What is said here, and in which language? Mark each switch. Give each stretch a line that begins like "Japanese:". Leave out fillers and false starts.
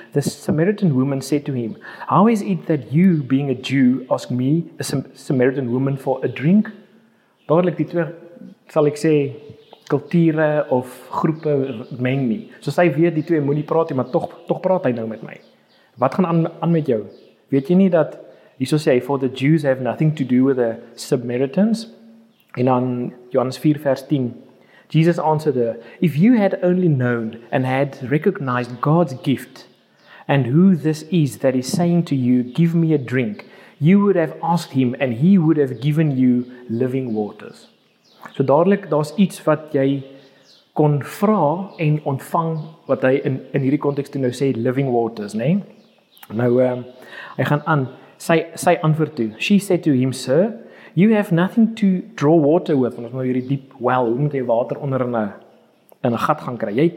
English: The Samaritan woman said to him, how is it that you, being a Jew, ask me, a Samaritan woman, for a drink?
Afrikaans: Dadelik die twee, sal ek sê, kulture of groepe meng nie. So sy weet die twee moenie praat nie, maar toch praat hy nou met my. Wat gaan aan met jou? Weet jy nie dat, hierso sê hy,
English: for the Jews have nothing to do with the Samaritans?
Afrikaans: En dan Johannes 4 vers 10,
English: Jesus answered her, if you had only known and had recognized God's gift and who this is that is saying to you, give me a drink, you would have asked him and he would have given you living waters.
Afrikaans: So dadelik, daar's iets wat jy kon vra en ontvang wat hy in hierdie context nou sê,
English: living waters,
Afrikaans: nee? Nou, hy gaan aan, sy antwoord toe.
English: She said to him, sir, you have nothing to draw water with.
Afrikaans: Want ons moet hierdie diep well, hoe moet jy water onder in een gat gaan kry?